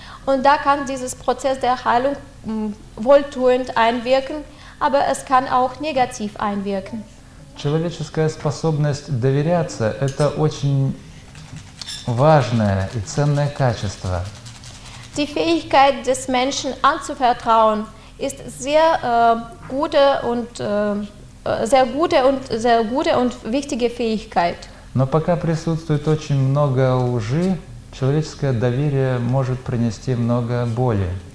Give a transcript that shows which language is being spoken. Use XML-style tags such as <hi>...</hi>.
<de>Und da kann dieses Prozess der Heilung wohltuend einwirken, aber es kann auch negativ einwirken.</de> <ru>Человеческая способность доверяться – это очень важное и ценное качество.</ru> <de>Die Fähigkeit des Menschen anzuvertrauen ist sehr gute und sehr gute und wichtige Fähigkeit.</de> <ru>Но пока присутствует очень много лжи, человеческое доверие может принести много боли.</ru>